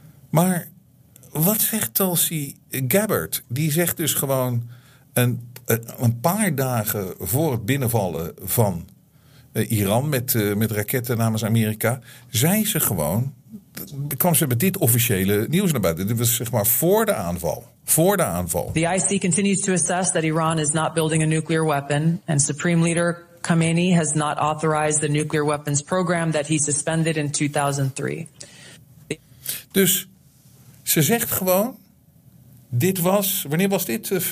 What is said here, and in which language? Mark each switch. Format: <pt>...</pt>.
<nl>Maar wat zegt Tulsi Gabbard? Die zegt dus gewoon een paar dagen voor het binnenvallen van Iran met raketten namens Amerika, zei ze gewoon, kwam ze met dit officiële nieuws naar buiten. Dit was zeg maar voor de aanval. Voor de aanval.</nl> <en>The IC continues to assess that Iran is not building a nuclear weapon and Supreme Leader Khamenei has not authorized the nuclear weapons program that he suspended in 2003.</en> <nl>Dus ze zegt gewoon, dit was, wanneer was dit?</nl>